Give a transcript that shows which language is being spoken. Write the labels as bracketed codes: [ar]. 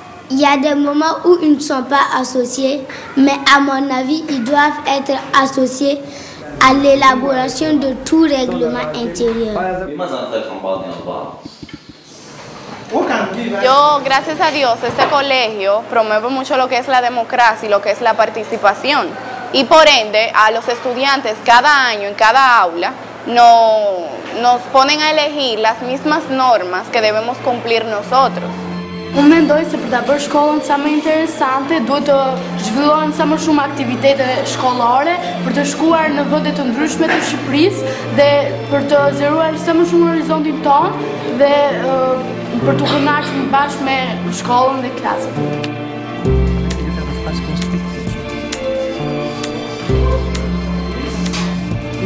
[fr] Il y a des moments où ils ne sont pas associés, mais à mon avis, ils doivent être associés à l'élaboration de tout règlement intérieur. [es] Yo, gracias a Dios, este colegio promueve mucho lo que es la democracia y lo que es la participación. Y por ende, a los estudiantes cada año, en cada aula, nos ponen a elegir las mismas normas que debemos cumplir nosotros. [sq] Un mendoj se për ta bërë shkollën sa më interesante, duhet të zhvillohen sa më shumë aktivitete shkollore për të shkuar në vende të ndryshme të Shqipërisë dhe për të zëruar sa më shumë horizontin tonë dhe për të kënaqur bashkë me shkollën dhe klasën.